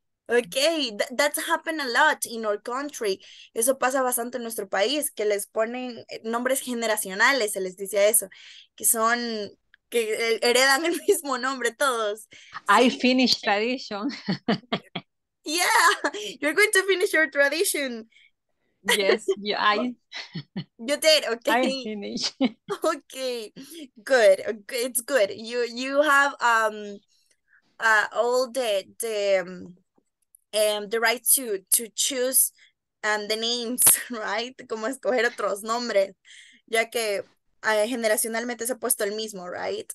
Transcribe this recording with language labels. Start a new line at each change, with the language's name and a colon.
English: Okay, that's happened a lot in our country.
Spanish: Eso pasa bastante en nuestro país, que les ponen nombres generacionales, se les dice eso, que son, que heredan el mismo nombre todos.
English: I
Spanish: Sí.
English: finished tradition. Yeah, you're going to finish your tradition. Yes, I You did, okay. finish. Okay, good. It's good. You have all the right to choose and the names, right?
Spanish: Como escoger otros nombres, ya que generacionalmente se ha puesto el mismo, right?